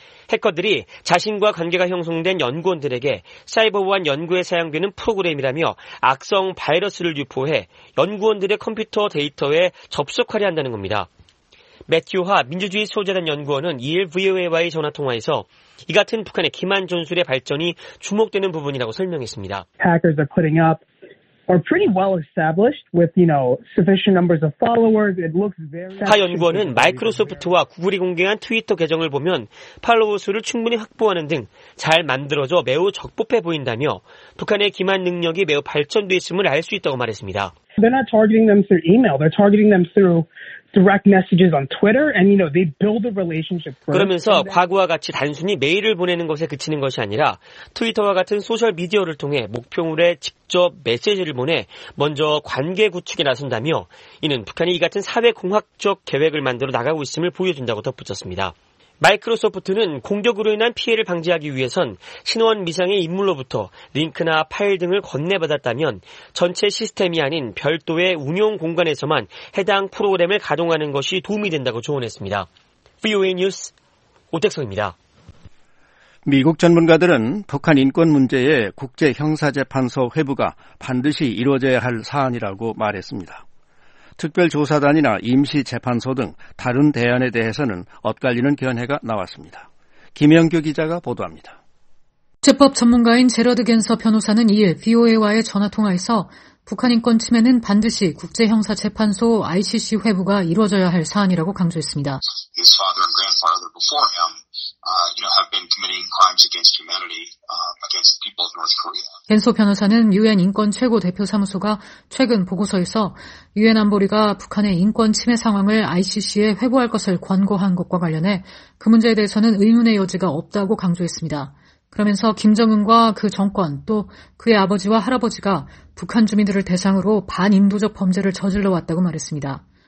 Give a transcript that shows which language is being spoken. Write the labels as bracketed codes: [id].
[ko] 해커들이 자신과 관계가 형성된 연구원들에게 사이버보안 연구에 사용되는 프로그램이라며 악성 바이러스를 유포해 연구원들의 컴퓨터 데이터에 접속하려 한다는 겁니다. 매튜화 민주주의 소재단 연구원은 2일 VOA와의 전화통화에서 이 같은 북한의 기만 전술의 발전이 주목되는 부분이라고 설명했습니다. [en] Hackers are putting up are pretty well established with, you know, sufficient numbers of followers. It looks very [ko] 하 연구원은 마이크로소프트와 구글이 공개한 트위터 계정을 보면 팔로워 수를 충분히 확보하는 등 잘 만들어져 매우 적법해 보인다며 북한의 기만 능력이 매우 발전돼 있음을 알 수 있다고 말했습니다. [en] They're not targeting them through email. They're targeting them through direct messages on Twitter and, you know, they build a relationship first. [ko] 그러면서 과거와 같이 단순히 메일을 보내는 것에 그치는 것이 아니라 트위터와 같은 소셜 미디어를 통해 목표물에 직접 메시지를 보내 먼저 관계 구축에 나선다며 이는 북한이 이 같은 사회 공학적 계획을 만들어 나가고 있음을 보여준다고 덧붙였습니다. 마이크로소프트는 공격으로 인한 피해를 방지하기 위해선 신원 미상의 인물로부터 링크나 파일 등을 건네받았다면 전체 시스템이 아닌 별도의 운영 공간에서만 해당 프로그램을 가동하는 것이 도움이 된다고 조언했습니다. VOA 뉴스 오택성입니다. 미국 전문가들은 북한 인권 문제에 국제형사재판소 회부가 반드시 이루어져야 할 사안이라고 말했습니다. 특별조사단이나 임시재판소 등 다른 대안에 대해서는 엇갈리는 견해가 나왔습니다. 김영규 기자가 보도합니다. 재법 전문가인 제러드 겐서 변호사는 이에 VOA와의 전화통화에서 북한 인권 침해는 반드시 국제형사재판소 ICC 회부가 이루어져야 할 사안이라고 강조했습니다. [en] His father and grandfather before him, you know, have been committing crimes against humanity, against people of North Korea. [ko] 겐소 변호사는 UN 인권 최고 대표사무소가 최근 보고서에서 UN 안보리가 북한의 인권 침해 상황을 ICC에 회부할 것을 권고한 것과 관련해 그 문제에 대해서는 의문의 여지가 없다고 강조했습니다. 그러면서 김정은과 그 정권 또 그의 아버지와 할아버지가 북한 주민들을 대상으로 반인도적 범죄를 저질러왔다고 말했습니다.